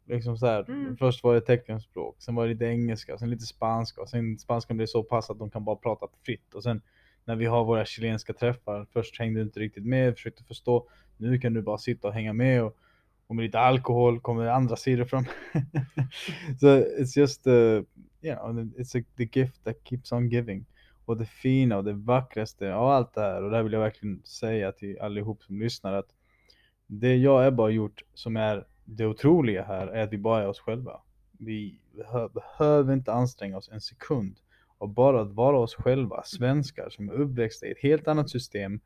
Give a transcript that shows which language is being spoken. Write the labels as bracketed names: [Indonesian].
[Swedish] Liksom så här, först var det teckenspråk, sen var det lite engelska, sen lite spanska. Och sen spanskan blev så pass att de kan bara prata fritt. Och sen när vi har våra chilenska träffar, först hängde du inte riktigt med, försökte förstå. Nu kan du bara sitta och hänga med och... Och med lite alkohol kommer andra sidor fram. [English] Så it's just, it's like the gift that keeps on giving. [Swedish] Och det fina och det vackraste av allt det här. Och det vill jag verkligen säga till allihop som lyssnar. Att det jag och Ebba har gjort som är det otroliga här är att vi bara är oss själva. Vi behöver inte anstränga oss en sekund. Och bara att vara oss själva, svenskar som är uppväxta i ett helt annat system.